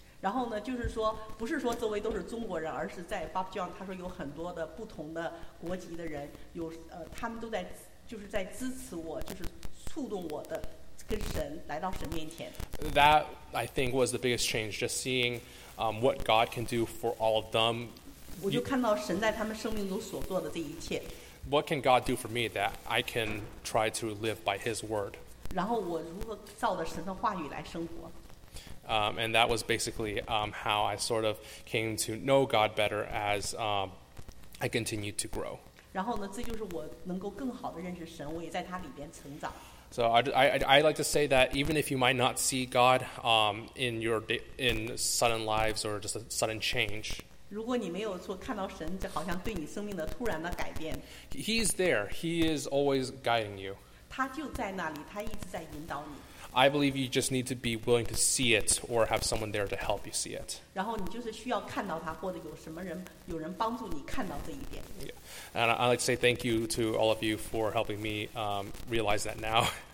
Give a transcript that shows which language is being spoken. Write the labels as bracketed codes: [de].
[zh] 然后呢，就是说，不是说周围都是中国人，而是在 Bob Jones， 他说有很多的不同的国籍的人，有他们都在就是在支持我，就是触动我的跟神来到神面前。 [en] That I think was the biggest change, just seeing what God can do for all of them. [zh] 我就看到神在他们生命中所做的这一切。 [en] What can God do for me that I can try to live by His word? [zh] 然后我如何照着神的话语来生活。 [en] And that was basically how I sort of came to know God better as I continued to grow. [zh] 然后呢，这就是我能够更好的认识神，我也在他里边成长。 [en] So I like to say that even if you might not see God in your in sudden lives or just a sudden change. [zh] 如果你没有说看到神，就好像对你生命的突然的改变。 [en] He's there. He is always guiding you. [zh] 他就在那里，他一直在引导你。 [en] I believe you just need to be willing to see it or have someone there to help you see it. [zh] 然后你就是需要看到他，或者有什么人有人帮助你看到这一点。 [en] Yeah. And I'd like to say thank you to all of you for helping me realize that now.